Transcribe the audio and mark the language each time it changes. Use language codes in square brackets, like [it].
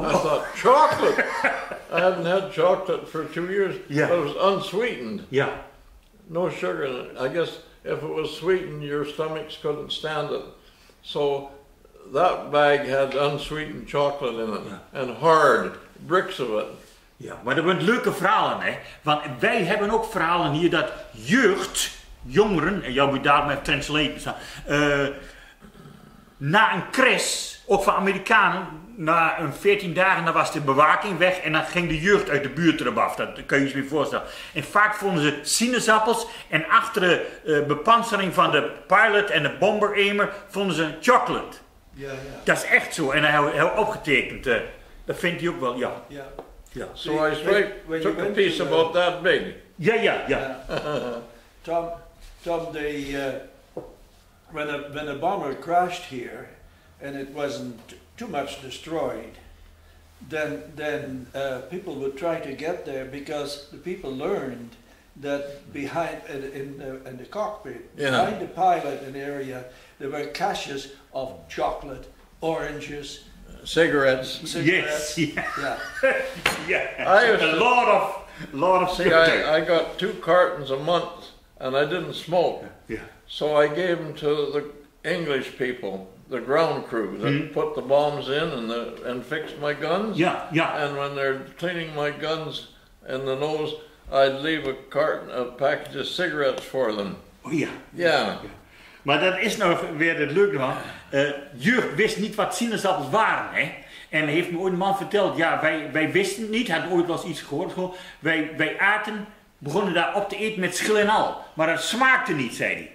[en] I thought, chocolate? I hadn't had chocolate for 2 years. Yeah. But it was unsweetened. Yeah. No sugar in it. I guess if it was sweetened, your stomachs couldn't stand it. So that bag had unsweetened chocolate in it, and hard, bricks of it. [nl] Ja, maar er zijn leuke verhalen, hè? Want wij hebben ook verhalen hier dat jeugd, jongeren, en jou moet daar maar translaten staan, na een crash, ook van Amerikanen, na een 14 dagen, dan was de bewaking weg en dan ging de jeugd uit de buurt erop af. Dat kun je je voorstellen. En vaak vonden ze sinaasappels en achter de bepansering van de pilot en de bomberemer vonden ze chocolate. Ja, ja. Dat is echt zo. En hij heeft opgetekend. Dat vindt hij ook wel, ja. Ja. Yeah. [en] So I took a piece about that big. Yeah. Tom, when a bomber crashed here, and it wasn't too much destroyed, then people would try to get there because the people learned that behind in the cockpit, behind the pilot and area, there were caches of chocolate, oranges. Cigarettes. Yes. Yeah. Yeah. A lot of cigarettes. I got 2 cartons a month, and I didn't smoke. Yeah. So I gave them to the English people, the ground crew that put the bombs in and fixed my guns. Yeah. Yeah. And when they're cleaning my guns in the nose, I'd leave a carton, a package of cigarettes for them. Oh yeah. Yeah. [nl] Maar dat is nou weer het leuke van. Jurgen wist niet wat sinaasappels waren. Hè? En heeft me ooit een man verteld. Ja, wij wisten het niet. Had ooit wel eens iets gehoord. Wij aten, begonnen daar op te eten met schil en al. Maar het smaakte niet, zei hij.